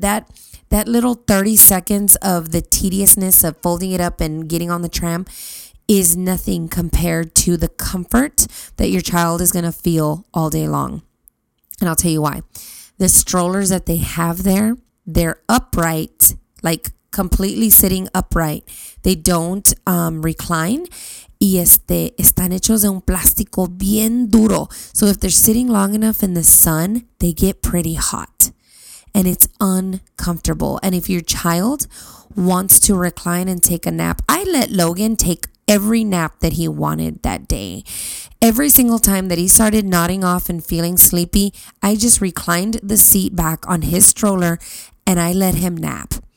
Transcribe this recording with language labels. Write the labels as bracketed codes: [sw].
[en] That little 30 seconds of the tediousness of folding it up and getting on the tram is nothing compared to the comfort that your child is going to feel all day long. And I'll tell you why. The strollers that they have there, they're upright, like completely sitting upright. They don't recline. [es] Y están hechos de un plástico bien duro. [en] So if they're sitting long enough in the sun, they get pretty hot. And it's uncomfortable. And if your child wants to recline and take a nap, I let Logan take every nap that he wanted that day. Every single time that he started nodding off and feeling sleepy, I just reclined the seat back on his stroller and I let him nap.